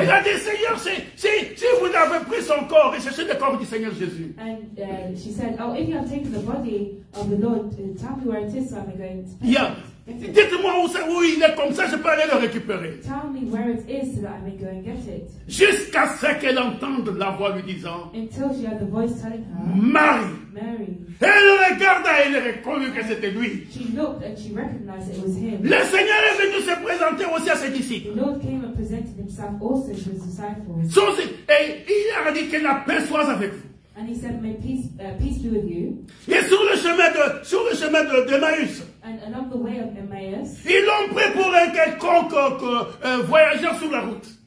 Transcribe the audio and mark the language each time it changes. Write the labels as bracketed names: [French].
[French] Elle a dit, Seigneur, si vous avez pris son corps et cherché le corps du Seigneur Jésus. [English] And she said, oh, if you have taken the body of the Lord, tell me where it is, so I'm going to find it. Yeah. [French] Dites-moi où il est, comme ça je peux aller le récupérer. [English] Tell me where it is so that I may go and get it. [French] Jusqu'à ce qu'elle entende la voix lui disant, [English] until she had the voice telling her, Mary. [French] Elle regarda et elle reconnut que c'était lui. [English] She looked and she recognized it was him. [French] Le Seigneur est venu se présenter aussi à ses disciples. [English] The Lord came and presented himself also to his disciples. [French] Et il a dit que la paix soit avec vous. [English] And he said, may peace be with you. [French] Et sur le chemin de Emmaüs. [English] along the way of Emmaus, [French] ils l'ont pris pour un quelconque voyageur sur la route.